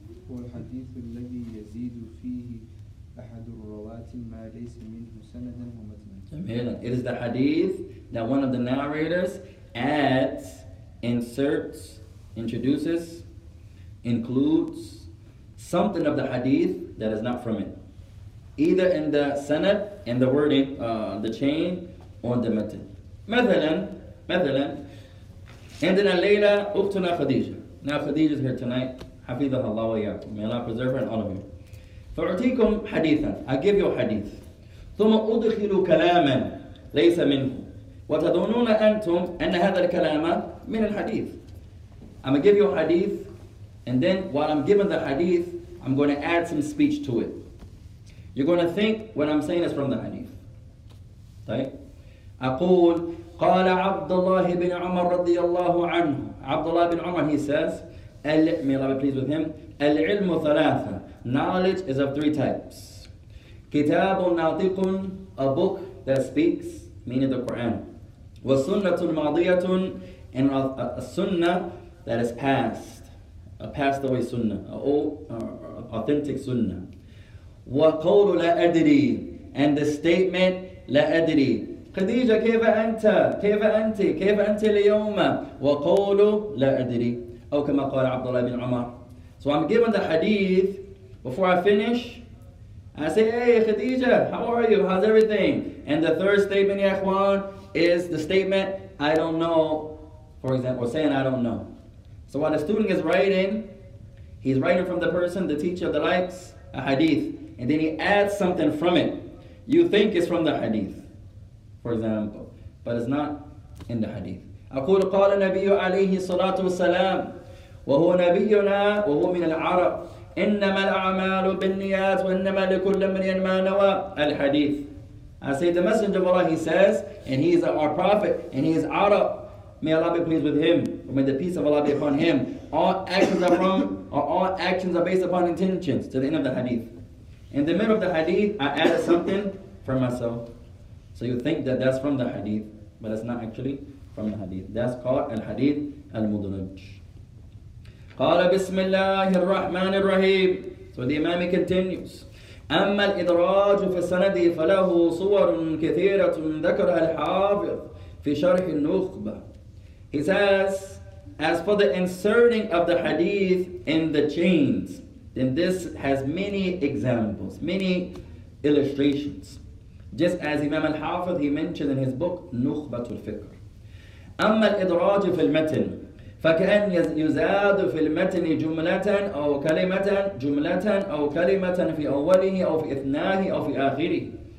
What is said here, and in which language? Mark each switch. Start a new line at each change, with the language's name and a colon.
Arabic: هو الحديث الذي يزيد فيه أحد الرواة ما ليس منه سندا ومتنا. جميلا.
English: It is the hadith that one of the narrators adds, inserts, introduces, includes something of the hadith that is not from it. Either in the sanad, in the wording, the chain, or the matan.
Arabic: مثلا, عندنا ليلى أختنا خديجة.
English: Now Khadija is here tonight.
Arabic: حفظها الله وإياكم.
English: May Allah preserve her and all of you.
Arabic: فأعطيكم حديثا.
English: I give you a hadith.
Arabic: ثم أدخل كلاما ليس منه. وتظنون أنتم أن هذا الكلام من الحديث.
English: I'm going to give you a hadith, and then while I'm giving the hadith, I'm going to add some speech to it. You're going to think what I'm saying is from the hadith.
Arabic: طيب. أقول قال عبد الله بن عمر رضي الله عنه.
English: عبد الله بن عمر, he says, may Allah be pleased with him.
Arabic: العلم ثلاثة.
English: Knowledge is of three types.
Arabic: كتاب ناطق,
English: a book that speaks, meaning the Quran.
Arabic: وسنة ماضية,
English: and a sunnah that is past, a passed away sunnah, an old, authentic sunnah.
Arabic: وقول لا أدري,
English: and the statement
Arabic: لا أدري. خديجة كيف أنت؟ كيف أنت؟ كيف أنت اليوم؟ وقول لا أدري. أو كما قال عبد الله بن عمر.
English: So I'm giving the hadith. Before I finish, I say, hey خديجة, how are you? How's everything? And the third statement,
Arabic: يا إخوان,
English: is the statement I don't know. For example, or saying I don't know. So while the student is writing, he's writing from the person, the teacher, the likes, a hadith, and then he adds something from it. You think it's from the hadith, for example, but it's not in the hadith.
Arabic: أقول قال النبي عليه الصلاة والسلام وهو نبينا وهو من العرب إنما الأعمال بالنيات وإنما لكل امرئ ما نوى الحديث.
English: I say the Messenger of Allah, he says, and he is our prophet, and he is Arab. May Allah be pleased with him. Or may the peace of Allah be upon him. All actions are based upon intentions. To the end of the hadith. In the middle of the hadith, I added something for myself. So you think that that's from the hadith, but it's not actually from the hadith. That's called al-hadith al-mudraj.
Arabic: قال بسم الله الرحمن الرحيم.
English: So the imam continues.
Arabic: أما الإدراج في السند فله صور كثيرة ذكرها الحافظ في شرح النخبة.
English: He says, as for the inserting of the hadith in the chains, then this has many examples, many illustrations. Just as Imam al-Hafidh, he mentioned in his book, Nukhbat al-Fikr.
Arabic: أَمَّا الْإِدْرَاجُ فِي الْمَتْنِ فَكَأَنْ يُزَادُ فِي الْمَتْنِ جُمْلَةً أَوْ كَلِمَةً جُمْلَةً أَوْ كَلِمَةً فِي أَوَّلِهِ أَوْ فِي إِثْنَاهِ أَوْ فِي آخِرِهِ.